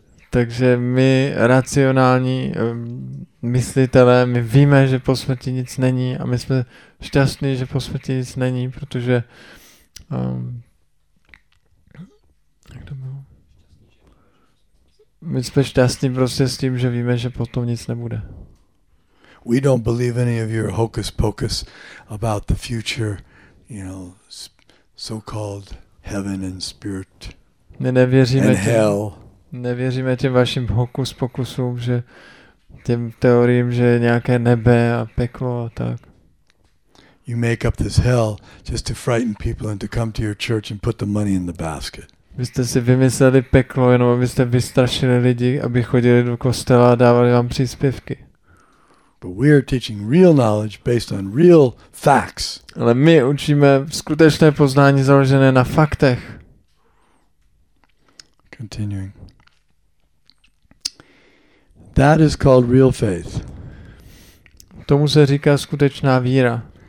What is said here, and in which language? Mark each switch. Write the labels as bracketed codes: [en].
[cs] Takže my racionální myslitelé, my víme, že po smrti nic není a my jsme šťastní, že po smrti nic není, protože jak to bylo? My jsme šťastní prostě s tím, že víme, že potom nic nebude. [en] We don't believe any of your hocus pocus about the future, you know, so-called heaven and spirit and hell. [cs] Nevěříme těm vašim hokus pokusům, že těm teoriím, že nějaké nebe a peklo a tak. [en] You make up this hell just to frighten people and to come to your church and put the money in the basket. [cs] Vy jste si vymysleli peklo, jenom abyste vystrašili lidi, aby chodili do kostela a dávali vám příspěvky. [en] But we are teaching real knowledge based on real facts. [cs] Ale my učíme skutečné poznání založené na faktech. [en] Continuing. That is called real faith. [cs] Tomu se říká skutečná víra.